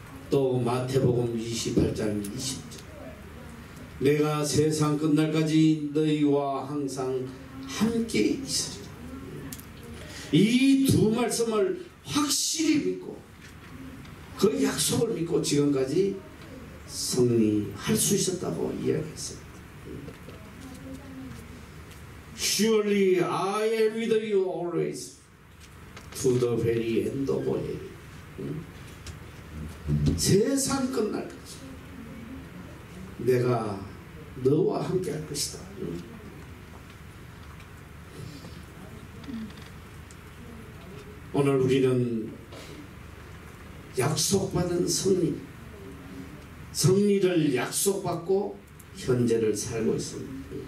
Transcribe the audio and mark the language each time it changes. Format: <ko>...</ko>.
<ko>또 마태복음 28장 20절. 내가 세상 끝날까지 너희와 항상 함께 있으리라. 이 두 말씀을 확실히 믿고 그 약속을 믿고 지금까지 승리할 수 있었다고 이야기했습니다.</ko> <en>Surely I am with you always to the very end of the world.</en> <ko>세상 끝날까지 내가 너와 함께 할 것이다. 오늘 우리는 약속받은 승리, 승리를 약속받고 현재를 살고 있습니다.</ko>